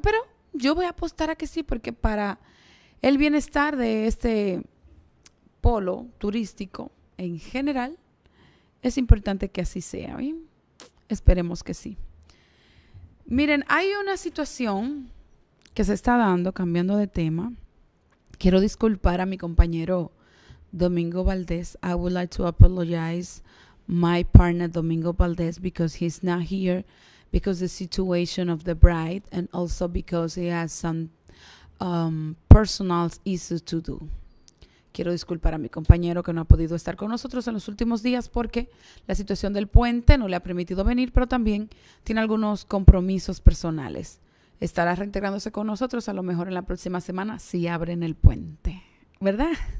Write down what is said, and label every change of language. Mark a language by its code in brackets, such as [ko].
[es] Pero yo voy a apostar a que sí, porque para el bienestar de este polo turístico en general, es importante que así sea. ¿Bien? Esperemos que sí. Miren, hay una situación que se está dando, cambiando de tema. Quiero disculpar a mi compañero Domingo Valdés. [en] I would like to apologize my partner Domingo Valdés because he's not here, because the situation of the bride, and also because he has some personal issues to do. [es] Quiero disculpar a mi compañero que no ha podido estar con nosotros en los últimos días porque la situación del puente no le ha permitido venir, pero también tiene algunos compromisos personales. Estará reintegrándose con nosotros a lo mejor en la próxima semana si abren el puente, ¿verdad?